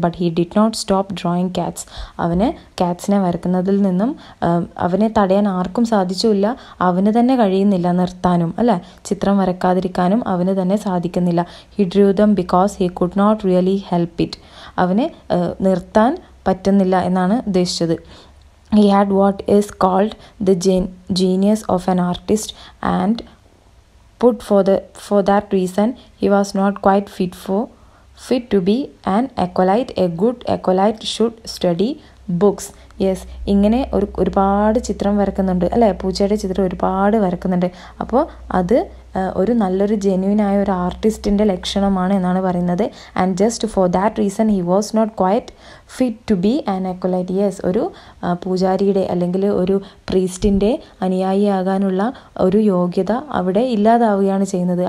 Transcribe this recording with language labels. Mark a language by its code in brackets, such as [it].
[en] But he did not stop drawing cats. [ml] അവന് ക്യാറ്റ്സിനെ വരക്കുന്നതിൽ നിന്നും അവനെ തടയാൻ ആർക്കും സാധിച്ചില്ല. അവന് തന്നെ കഴിയുന്നില്ല നിർത്താനും, അല്ലേ, ചിത്രം വരക്കാതിരിക്കാനും അവന് തന്നെ സാധിക്കുന്നില്ല. [en] He drew them because he could not really help it. [ml] അവന് നിർത്താൻ പറ്റുന്നില്ല എന്നാണ് ഉദ്ദേശിച്ചത്. [en] He had what is called the genius of an artist and put for that reason he was not quite fit to be an acolyte. A good acolyte should study books. [ml] Yes, ഇങ്ങനെ ഒരുപാട് ചിത്രം വരക്കുന്നുണ്ട് അല്ലേ, പൂച്ചയുടെ ചിത്രം ഒരുപാട് വരക്കുന്നുണ്ട്. അപ്പോൾ അത് ഒരു നല്ലൊരു ജെന്യുവിനായ ഒരു ആർട്ടിസ്റ്റിൻ്റെ ലക്ഷണമാണ് എന്നാണ് പറയുന്നത്. [en] And just for that reason he was not quite fit to be an acolyte. [ml] Yes, ഒരു പൂജാരിയുടെ അല്ലെങ്കിൽ ഒരു പ്രീസ്റ്റിൻ്റെ അനുയായിയാകാനുള്ള ഒരു യോഗ്യത അവിടെ ഇല്ലാതാവുകയാണ് ചെയ്യുന്നത്.